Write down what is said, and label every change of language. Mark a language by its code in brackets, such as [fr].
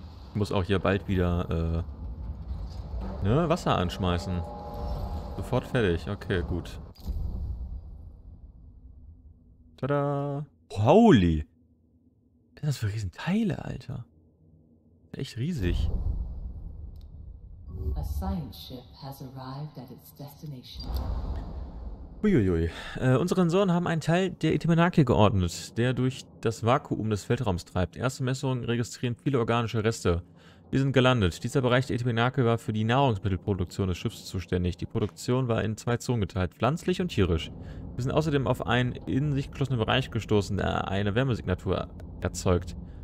[de] Ich muss auch hier bald wieder Wasser anschmeißen. Sofort fertig. Okay, gut. Tada! Holy! Was sind das für Riesenteile, Alter? Echt riesig. [en] A science ship has arrived at its destination. Uiuiui. [de] Unsere Sensoren haben einen Teil der Itimenake geordnet, der durch das Vakuum des Weltraums treibt. Erste Messungen registrieren viele organische Reste. Wir sind gelandet. Dieser Bereich der Itimenake war für die Nahrungsmittelproduktion des Schiffs zuständig. Die Produktion war in zwei Zonen geteilt, pflanzlich und tierisch. Wir sind außerdem auf einen in sich geschlossenen Bereich gestoßen, der eine Wärmesignatur erzeugt.